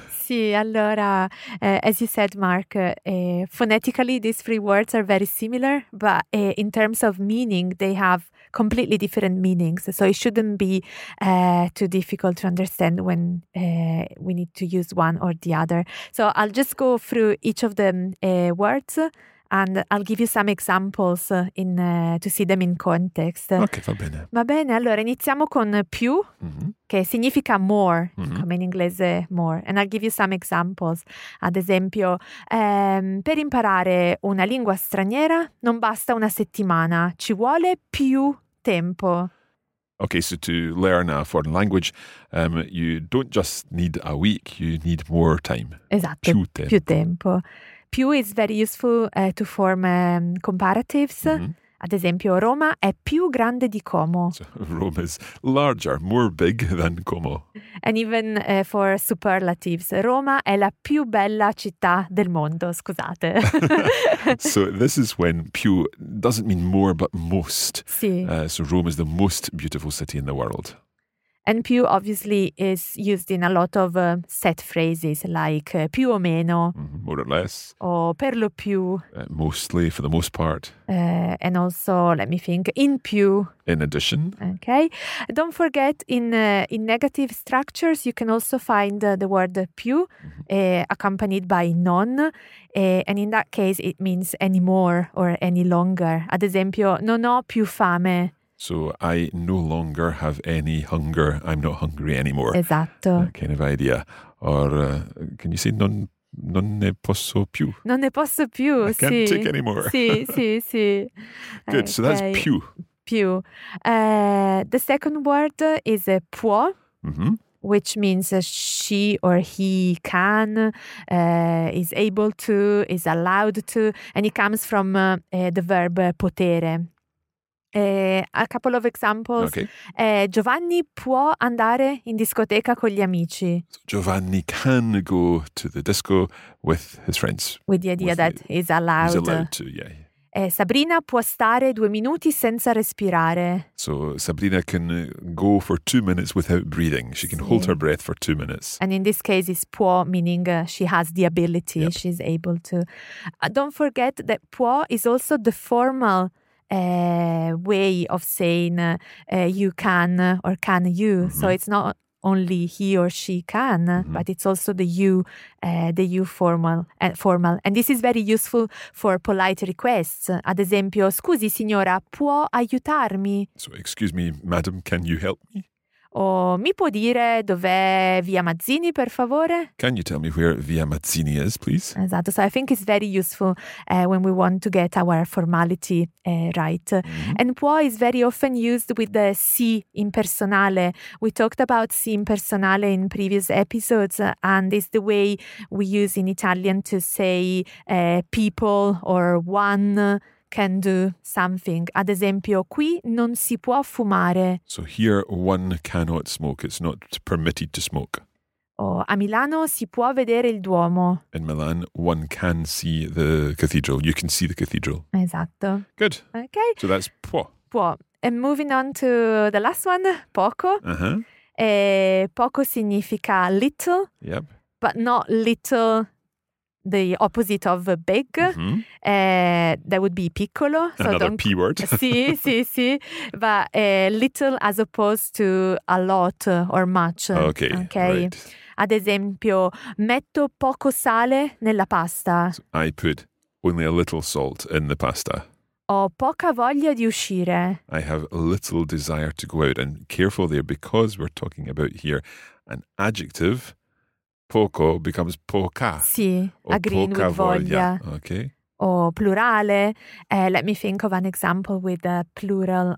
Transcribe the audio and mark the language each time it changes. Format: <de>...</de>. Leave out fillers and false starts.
<it>Sì, allora,</it> <en>as you said, Mark, phonetically these three words are very similar, but in terms of meaning, they have completely different meanings. So it shouldn't be too difficult to understand when we need to use one or the other. So I'll just go through each of the words and I'll give you some examples to see them in context.</en> <it>Okay, va bene. Va bene, allora iniziamo con più, che significa more, come in inglese more.</it> <en>And I'll give you some examples.</en> <it>Ad esempio, per imparare una lingua straniera non basta una settimana, ci vuole più tempo.</it> <en>Okay, so to learn a foreign language, you don't just need a week, you need more time.</en> <it>Esatto, più tempo.</it> <en>Più is very useful to form comparatives. Mm-hmm.</en> <it>Ad esempio, Roma è più grande di Como.</it> <en>So, Rome is larger, more big than Como. And even for superlatives,</en> <it>Roma è la più bella città del mondo, scusate.</it> <en>So this is when più doesn't mean more, but most.</en> <it>Sì.</it> <en>So Rome is the most beautiful city in the world. And più obviously is used in a lot of set phrases, like</en> <it>più o meno.</it> <en>More or less.</en> <it>Or per lo più.</it> <en>Mostly, for the most part. And also, let me think,</en> <it>in più.</it> <en>In addition. Okay. Don't forget, in negative structures, you can also find the word più accompanied by non. And in that case, it means any more or any longer.</en> <it>Ad esempio, non ho più fame.</it> <en>So, I no longer have any hunger. I'm not hungry anymore.</en> <it>Esatto.</it> <en>That kind of idea. Or can you say</en> <it>non ne posso più? Non ne posso più,</it> <en>I can't take anymore.</en> <it>Sì, sì, sì.</it> <en>Good, okay. So that's più.</en> <it>Più.</it> <en>The second word is può, which means she or he can, is able to, is allowed to, and it comes from the verb potere. A couple of examples. Okay.</en> <it>Giovanni può andare in discoteca con gli amici.</it> <en>So Giovanni can go to the disco with his friends. With the idea he's allowed. He's allowed to, yeah.</en> <it>Sabrina può stare 2 minuti senza respirare.</it> <en>So Sabrina can go for 2 minutes without breathing. She can hold her breath for 2 minutes. And in this case it's può, meaning she has the ability, she's able to. Don't forget that può is also the formal way of saying you can or can you. Mm-hmm. So it's not only he or she can, but it's also the you formal. And this is very useful for polite requests.</en> <it>Ad esempio, scusi signora, può aiutarmi?</it> <en>So excuse me, madam, can you help me?</en> <it>O mi può dire dov'è via Mazzini, per favore?</it> <en>Can you tell me where via Mazzini is, please?</en> <it>Esatto.</it> <en>So I think it's very useful when we want to get our formality right. Mm-hmm. And può is very often used with the sì in personale. We talked about sì in personale in previous episodes, and it's the way we use in Italian to say people or one can do something.</en> <it>Ad esempio, qui non si può fumare.</it> <en>So here one cannot smoke. It's not permitted to smoke.</en> <it>Oh, a Milano si può vedere il Duomo.</it> <en>In Milan, one can see the cathedral. You can see the cathedral.</en> <it>Esatto.</it> <en>Good. Okay. So that's può. Può. And moving on to the last one, poco. Uh-huh.</en> <it>Poco significa little.</it> <en>Yep. But not little, the opposite of big, that would be piccolo. So another P word.</en> <it>Sì, sì, sì.</it> <en>But little as opposed to a lot or much. Okay, okay. Right. Ad esempio, metto poco sale nella pasta. So I put only a little salt in the pasta. Ho poca voglia di uscire. I have little desire to go out. And careful there, because we're talking about here an adjective.</en> <it>Poco becomes poca.</it> <en>Sì, agreeing with voglia. Okay.</en> <it>O plurale.</it> <en>Let me think of an example with a plural.</en>